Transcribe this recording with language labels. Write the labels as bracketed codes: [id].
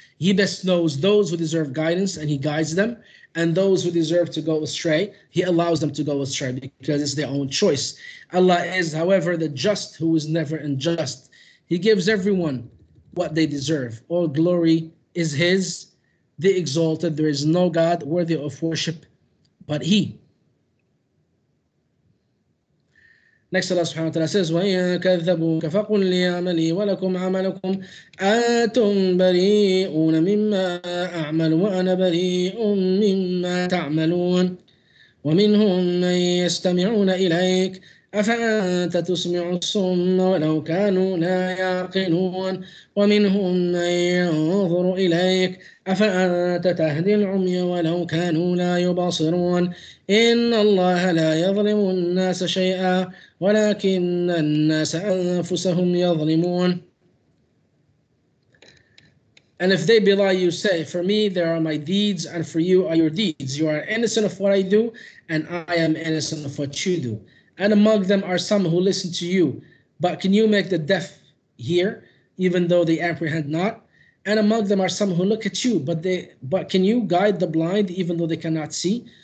[en] He best knows those who deserve guidance and He guides them, and those who deserve to go astray, He allows them to go astray because it's their own choice. Allah is, however, the just who is never unjust. He gives everyone what they deserve. All glory is His, the exalted. There is no God worthy of worship but He. Next, Allah subhanahu wa ta'ala says, [ar] وَإِن كَذَّبُوكَ فَقُلْ لِي عَمَلِي وَلَكُمْ عَمَلُكُمْ أَنتُمْ بَرِيئُونَ مِمَّا أَعْمَلُ وَأَنَا بَرِيءٌ مِمَّا تَعْمَلُونَ وَمِنْهُمْ مَنْ يَسْتَمِعُونَ إِلَيْكَ أَفَأَنتَ تُسْمِعُ الصُّمَّ وَلَوْ كَانُوا لَا يَعْقِلُونَ وَمِنْهُمْ مَنْ يَنْظُرُ إِلَيْكَ أَفَأَنتَ تَهْدِي الْعُمْيَ وَلَوْ كَانُوا لَا يُبَصِرُونَ إِنَّ اللَّهَ لَا يَظْلِمُ النَّاسَ شَيْئًا وَلَكِنَّ النَّاسَ أَنفُسَهُمْ يَظْلِمُونَ [en] And if they belie you, say, for me, there are my deeds, and for you are your deeds. You are innocent of what I do, and I am innocent of what you do. And among them are some who listen to you. But can you make the deaf hear, even though they apprehend not? And among them are some who look at you, but can you guide the blind, even though they cannot see?